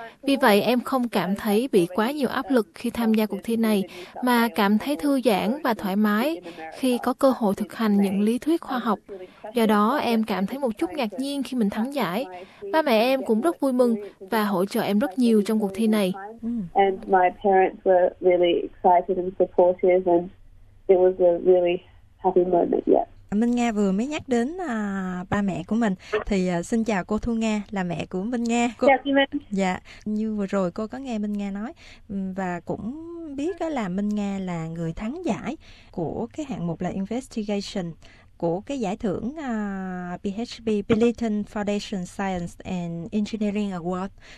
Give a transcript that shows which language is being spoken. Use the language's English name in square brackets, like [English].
[Vietnamese] Vì vậy, em không cảm thấy bị quá nhiều áp lực khi tham gia cuộc thi này, mà cảm thấy thư giãn và thoải mái khi có cơ hội thực hành những lý thuyết khoa học. Do đó, em cảm thấy một chút ngạc nhiên khi mình thắng giải. Ba mẹ em cũng rất vui mừng và hỗ trợ em rất nhiều trong cuộc thi này. [English] And my parents were really excited and supportive, and it was a really happy moment. [Vietnamese] Minh Nga vừa mới nhắc đến ba mẹ của mình, thì xin chào cô Thu Nga, là mẹ của Minh Nga. Chào chị Minh. Dạ, như vừa rồi cô có nghe Minh Nga nói và cũng biết là Minh Nga là người thắng giải của cái hạng mục là Investigation của cái giải thưởng PHB, Billiton Foundation Science and Engineering Award.